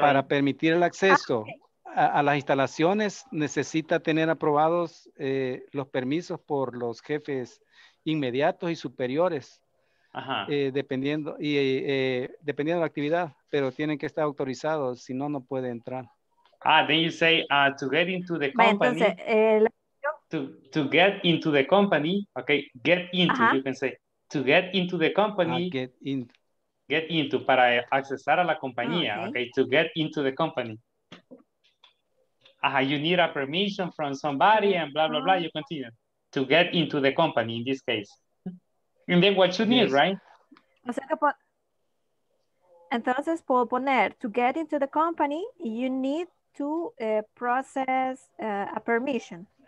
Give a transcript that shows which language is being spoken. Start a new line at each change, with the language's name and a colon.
Spanish: Para permitir el acceso a las instalaciones, necesita tener aprobados los permisos por los jefes inmediatos y superiores. Ajá. Dependiendo de la actividad, pero tienen que estar autorizados, si no, no puede entrar.
English: Ah, then you say to get into the company. To get into the company, okay, get into, ajá. You can say, to get into the company. Get
Spanish: into, para accesar a la compañía, oh, okay.
English: Okay, to get into the company. Ajá, you need a permission from somebody and blah, blah, blah, you continue. To get into the company in this case. And then what you need, right?
Spanish: O sea que entonces puedo poner,
English: to get into the company, you need to process a permission.